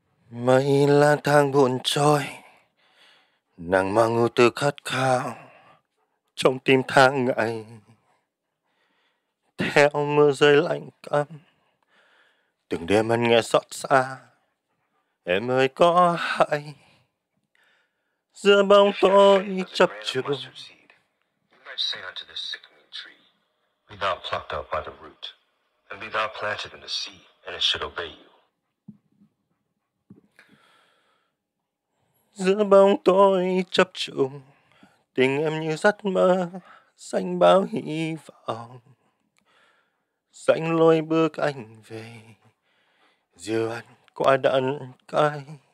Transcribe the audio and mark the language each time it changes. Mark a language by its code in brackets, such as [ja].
[vi] Mây lang thang buồn trôi, nàng mang ưu tư khát khao trong tim tháng ngày. Theo mưa rơi lạnh căm, từng đêm anh nghe xót xa. Em ơi có hay giữa bóng tối chập chững? [en] Say unto this sickening tree, be thou plucked up by the root, and be thou planted in the sea, and it should obey you. [vi] Giữa bóng tối chập trùng, tình em như giấc mơ, xanh bao hy vọng. Dành lối bước anh về, dìu anh qua đắng cay.